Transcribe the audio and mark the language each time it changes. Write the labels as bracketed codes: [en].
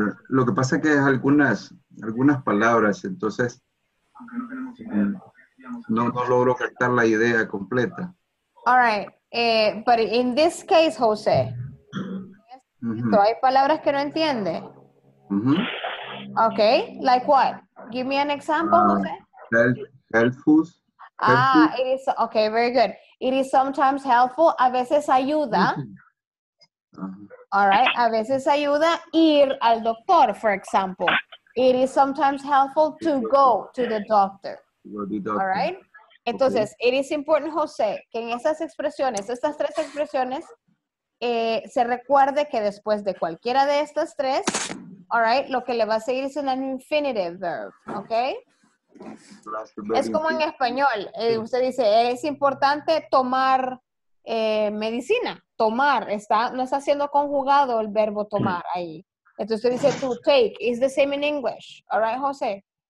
[es] Lo que pasa es que es algunas palabras, entonces no logro captar la idea completa. [en] All right, but in this case, Jose, mm-hmm. [es] ¿Hay palabras que no entiende? Mm-hmm. [en] Okay, like what? Give me an example, Jose. Helpful. Ah, it is, okay, very good. It is sometimes helpful, [es] a veces ayuda. All right, a veces ayuda ir al doctor, [en] for example. It is sometimes helpful to go to the doctor. All right? [es] Entonces, [en] it is important, Jose, [es] que en esas expresiones, estas tres expresiones, se recuerde que después de cualquiera de estas tres, all right, lo que le va a seguir es [en] an infinitive verb, okay? [es] Es como en español, usted dice, es importante tomar medicina, tomar, está, no está siendo conjugado el verbo tomar ahí. Entonces usted dice to take, [en] it's the same in English, all right, Jose?